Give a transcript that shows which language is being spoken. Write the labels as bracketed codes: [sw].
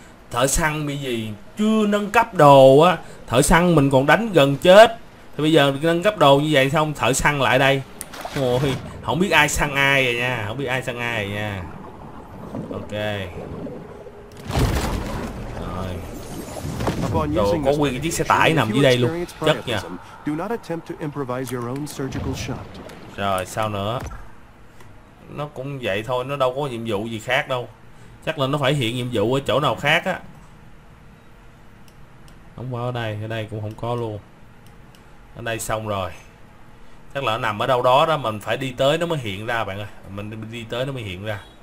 [vi] Thợ săn bị gì? Chưa nâng cấp đồ á. Thợ săn mình còn đánh gần chết. Thì bây giờ nâng cấp đồ như vậy xong thợ săn lại đây. Ôi, không biết ai săn ai rồi nha. Ok. Rồi. Đồ có nguyên cái chiếc xe tải nằm dưới đây luôn. Chất nha. [en] Do not attempt to improvise your own surgical shot. [vi] Rồi sao nữa? Nó cũng vậy thôi, nó đâu có nhiệm vụ gì khác đâu. Chắc là nó phải hiện nhiệm vụ ở chỗ nào khác á. Không qua ở đây cũng không có luôn. Ở đây xong rồi. Chắc là nó nằm ở đâu đó đó, mình phải đi tới nó mới hiện ra bạn ơi. Mình đi tới nó mới hiện ra.